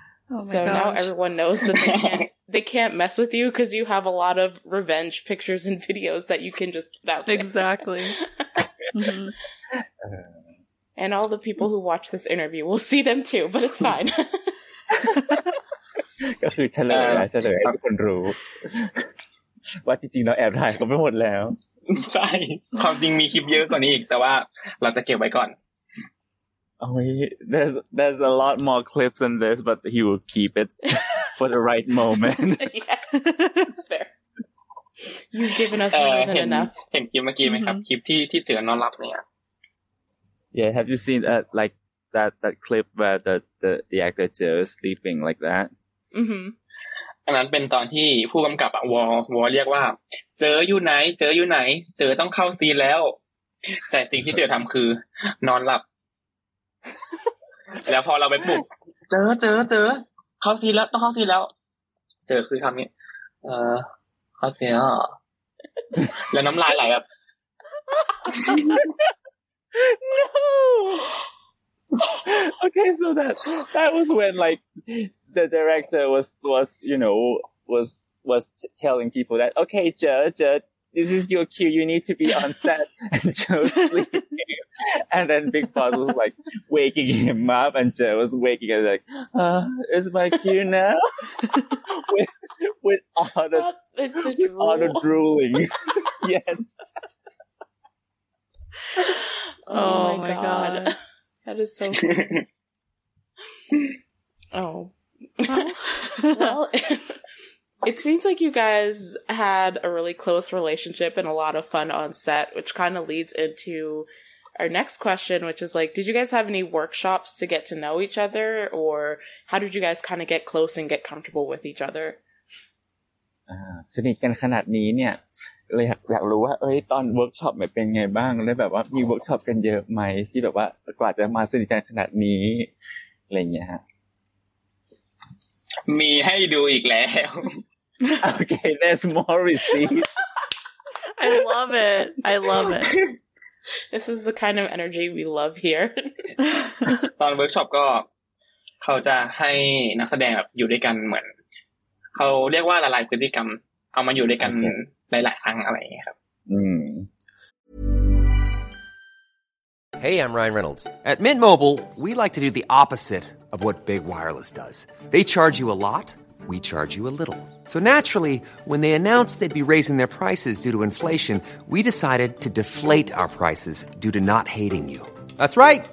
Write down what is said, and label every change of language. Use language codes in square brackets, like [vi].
[en] Oh my so gosh. Now everyone knows that they can't mess with you because you have a lot of revenge pictures and videos that you can just put out there. Exactly. And all the people who watch this interview will see them too, but it's fine. [th] ก็คือฉันเลยฉันเลยทุกคนรู้ว่าจริงๆเราแอบถ่ายก็ไม่หมดแล้ว ใช่ความจริงมีคลิปเยอะกว่านี้อีกแต่ว่าเราจะเก็บไว้ก่อน [en] โอ้ย there's a lot more clips than this but he will keep it for the right moment fair you've given us more than enough [th] เห็นคลิปเมื่อกี้ไหมครับคลิปที่เสือนอนหลับเนี่ย [en] yeah have you seen that like that clip where the actor Joe sleeping like that [th] อันนั้นเป็นตอนที่ผู้กำกับวอลเรียกว่าเจออยู่ไหนเจอต้องเข้าซีแล้วแต่สิ่งที่เจอทำคือนอนหลับแล้วพอเราไปปลุกเจอเข้าซีแล้วต้องเข้าซีแล้วเจอคือคำนี้เข้าซีแล้วแล้วน้ำลายไหลแบบ [en] no okay so that was when likeThe director was telling people that okay, Joe, this is your cue. You need to be on set. And Joe sleeping, and then Big Boss was like waking him up, and Joe was waking up like, is my cue now? with all the drooling. Yes. Oh my god, that is so funny. Oh. Well, it seems like you guys had a really close relationship and a lot of fun on set, which kind of leads into our next question, which is like, did you guys have any workshops to get to know each other, or how did you guys kind of get close and get comfortable with each other? [th] สนิทกันขนาดนี้เนี่ยเลยอยากรู้ว่าเอ้ยตอนเวิร์กช็อปเป็นไงบ้างแล้วแบบว่ามีเวิร์กช็อปกันเยอะไหมที่แบบว่ากว่าจะมาสนิทกันขนาดนี้อะไรเงี้ยฮะ มีให้ดูอีกแล้ว [en] โอเค there's more receipts I love it this is the kind of energy we love here [th] ตอนเวิร์กช็อปก็เขาจะให้นักแสดงแบบอยู่ด้วยกันเหมือนเขาเรียกว่าละลายพฤติกรรมเอามาอยู่ด้วยกันหลายๆครั้งอะไรอย่างเงี้ยครับ [en] Hey, I'm Ryan Reynolds. At Mint Mobile, we like to do the opposite of what Big Wireless does. They charge you a lot, we charge you a little. So naturally, when they announced they'd be raising their prices due to inflation, we decided to deflate our prices due to not hating you. That's right.